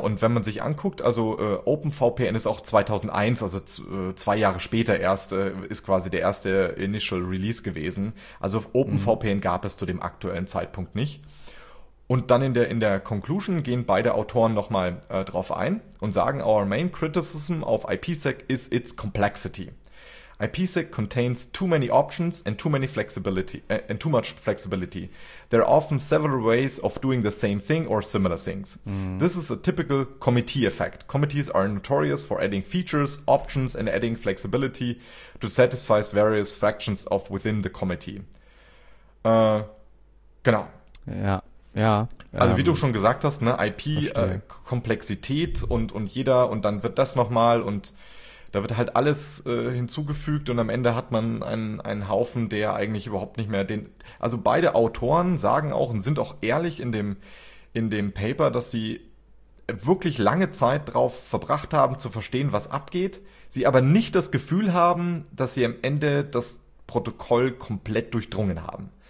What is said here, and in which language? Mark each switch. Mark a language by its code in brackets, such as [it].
[de] Und wenn man sich anguckt, also OpenVPN ist auch 2001, also 2 Jahre später erst, ist quasi der erste Initial Release gewesen. Also OpenVPN gab es zu dem aktuellen Zeitpunkt nicht. Und dann in der Conclusion gehen beide Autoren nochmal drauf ein und sagen, [en] Our main criticism of IPsec is its complexity. IPsec contains too many options and too many flexibility, and too much flexibility. There are often several ways of doing the same thing or similar things. This is a typical committee effect. Committees are notorious for adding features, options and adding flexibility to satisfy various factions of within the committee. [de] Genau. Ja, Also wie du schon gesagt hast, ne, IP, verstehe. Komplexität und jeder und dann wird das nochmal und da wird halt alles hinzugefügt und am Ende hat man einen Haufen, der eigentlich überhaupt nicht mehr den. Also beide Autoren sagen auch und sind auch ehrlich in dem Paper, dass sie wirklich lange Zeit drauf verbracht haben zu verstehen, was abgeht, sie aber nicht das Gefühl haben, dass sie am Ende das Protokoll komplett durchdrungen haben.